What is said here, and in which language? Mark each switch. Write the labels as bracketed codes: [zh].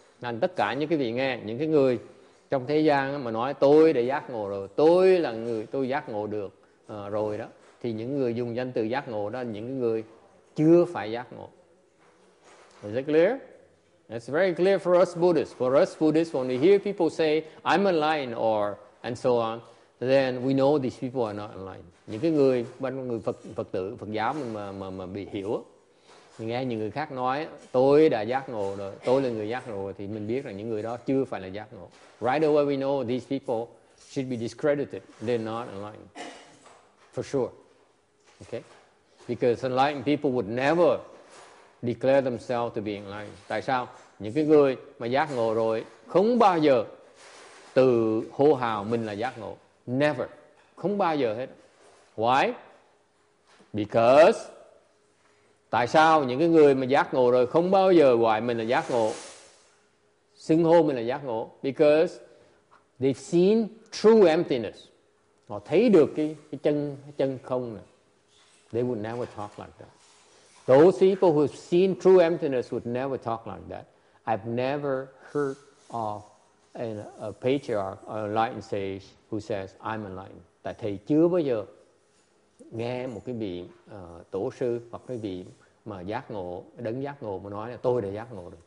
[vi] Nên tất cả những cái vị nghe, những cái người trong thế gian mà nói tôi đã giác ngộ rồi, tôi là người tôi giác ngộ được rồi đó, thì những người dùng danh từ giác ngộ đó là những người chưa phải giác ngộ. [en] Is that clear? It's very clear for us Buddhists. For us Buddhists, when we hear people say, I'm enlightened or and so on, then we know these people are not enlightened. [vi] Những cái người, bên người Phật tử, Phật giáo mà bị hiểu, mình nghe những người khác nói, tôi đã giác ngộ rồi, tôi là người giác ngộ rồi, thì mình biết rằng những người đó chưa phải là giác ngộ. [en] Right away we know these people should be discredited. They're not enlightened. For sure. Okay? Because enlightened people would never declare themselves to be enlightened. [vi] Tại sao? Những cái người mà giác ngộ rồi không bao giờ tự hô hào mình là giác ngộ. [en] Never. [vi] Không bao giờ hết. [en] Why? Because [vi] tại sao những cái người mà giác ngộ rồi không bao giờ gọi mình là giác ngộ? Xưng hô mình là giác ngộ. [en] Because they've seen true emptiness. [vi] Họ thấy được cái chân không này. [en] They would never talk like that. Those people who've seen true emptiness would never talk like that. I've never heard of a patriarch or enlightened sage who says, I'm enlightened. [vi] Tại thầy chưa bao giờ nghe một cái vị tổ sư hoặc cái vị mà giác ngộ, đấng giác ngộ mà nói là tôi đã giác ngộ rồi.